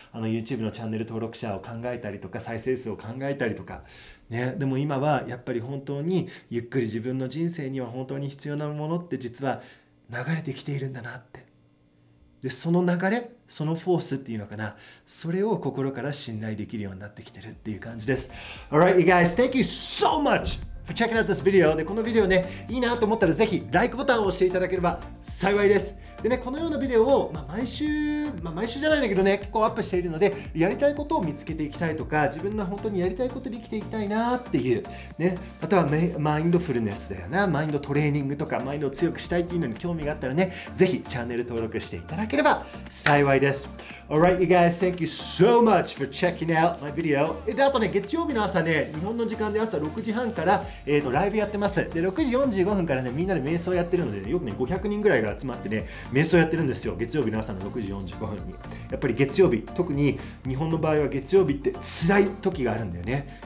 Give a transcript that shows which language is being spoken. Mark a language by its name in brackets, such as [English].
[Japanese] あの YouTube のチャンネル登録者を考えたりとか再生数を考えたりとかね。でも今はやっぱり本当にゆっくり自分の人生には本当に必要なものって実は流れてきているんだなって、でその流れ、そのフォースっていうのかな、それを心から信頼できるようになってきてるっていう感じです。 [English] Alright you guys, thank you so much for checking out this video. [Japanese] でこのビデオね、いいなと思ったらぜひ LIKE ボタンを押していただければ幸いです。でね、このようなビデオを、まあ、毎週じゃないんだけどね、結構アップしているので、やりたいことを見つけていきたいとか、自分の本当にやりたいことで生きていきたいなっていうね、あとはマインドフルネスだよな、マインドトレーニングとかマインドを強くしたいっていうのに興味があったらね、ぜひチャンネル登録していただければ幸いです。 [English] Alright you guys, thank you so much for checking out my video. [Japanese] であとね、月曜日の朝ね、日本の時間で朝6時半からライブやってます。で6時45分からね、みんなで瞑想やってるので、ね、よくね500人ぐらいが集まってね、瞑想やってるんですよ。月曜日の朝の6時45分に。やっぱり月曜日、特に日本の場合は月曜日って辛い時があるんだよね。